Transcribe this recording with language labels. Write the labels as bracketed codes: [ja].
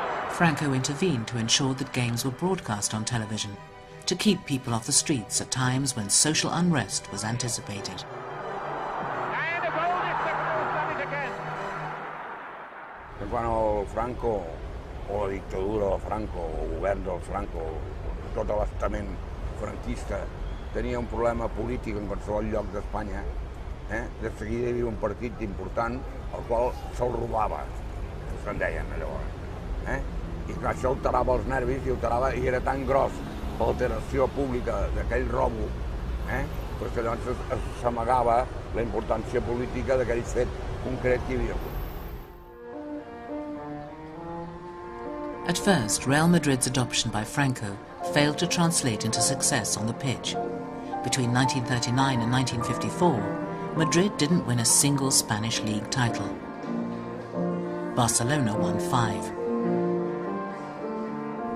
[en] Franco intervened to ensure that games were broadcast on television, to keep people off the streets at times when social unrest was anticipated. [ca] Quan el Franco, o la dictadura del Franco, o el govern del Franco, tot l'estament franquista, tenia un problema polític en qualsevol lloc d'Espanya, de seguida hi havia un partit important al qual se'l robava, que se'n deien llavors. I clar, això alterava els nervis i alterava, i era tan gros l'alteració pública d'aquell robo, perquè llavors s'amagava la importància política d'aquell fet concret que hi havia hagut. [en] At first, Real Madrid's adoption by Franco failed to translate into success on the pitch. Between 1939 and 1954, Madrid didn't win a single Spanish league title. Barcelona won 5.